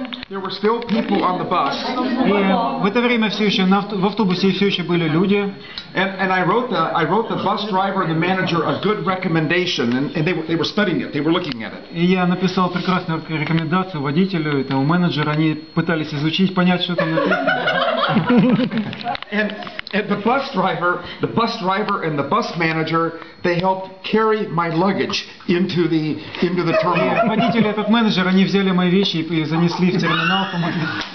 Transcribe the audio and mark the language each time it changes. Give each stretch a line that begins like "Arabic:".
English: There were still people on the bus.
Russian: И в это время все еще в автобусе все еще были люди.
English: And I wrote the bus driver and the manager a good recommendation, and they were studying it. They were looking at it.
Russian: И я написал прекрасную рекомендацию водителю и тому менеджеру. Они пытались изучить, понять, что там написано.
English: And the bus driver and the bus manager, they helped carry my luggage into the terminal.
Russian: Водитель и этот менеджер, они взяли мои вещи и занесли в терминал, помогли.